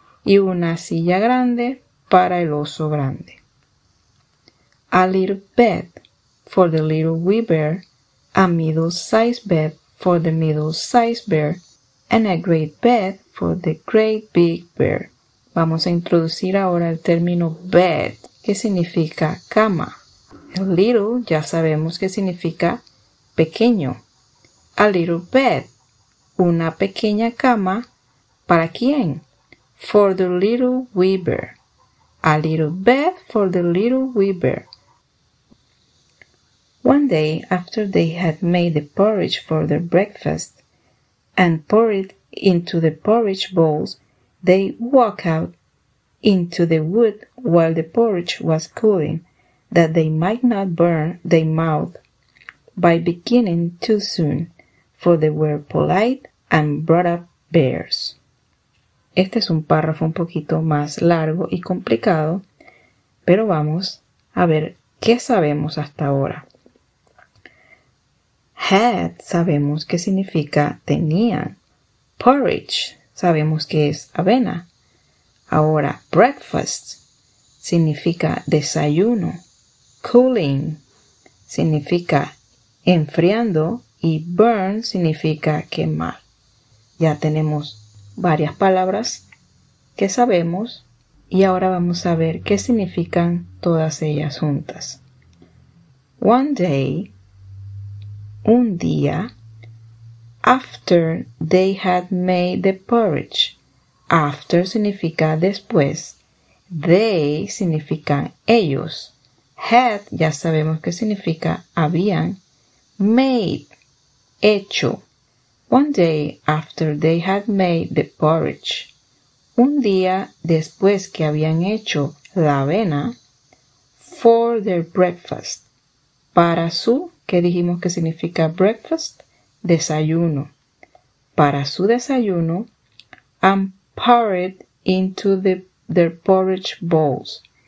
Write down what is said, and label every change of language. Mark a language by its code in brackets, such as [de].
[es] Y una silla grande para el oso grande. [en] A little bed for the little wee bear. A middle-sized bed for the middle-sized bear. And a great bed for the great big bear. [es] Vamos a introducir ahora el término bed, que significa cama. El little ya sabemos que significa pequeño. [en] A little bed. [es] Una pequeña cama, ¿para quién? [en] For the little wee bear. [es] A little bed for the little wee bear. One day, after they had made the porridge for their breakfast and poured it into the porridge bowls, they walked out into the wood while the porridge was cooling, that they might not burn their mouth by beginning too soon, for they were polite and brought up bears. Este es un párrafo un poquito más largo y complicado, pero vamos a ver qué sabemos hasta ahora. Had sabemos que significa tenían. Porridge sabemos que es avena. Ahora, breakfast significa desayuno. Cooling significa enfriando y burn significa quemar. Ya tenemos varias palabras que sabemos y ahora vamos a ver qué significan todas ellas juntas. [en] One day, un día, after they had made the porridge. [es] After significa después. They significan ellos. Had, ya sabemos qué significa habían. Made, hecho. [en] One day after they had made the porridge. [es] Un día después que habían hecho la avena. [en] For their breakfast. [es] Para su, ¿qué dijimos que significa breakfast? Desayuno. Para su desayuno. [en] And poured into their porridge bowls.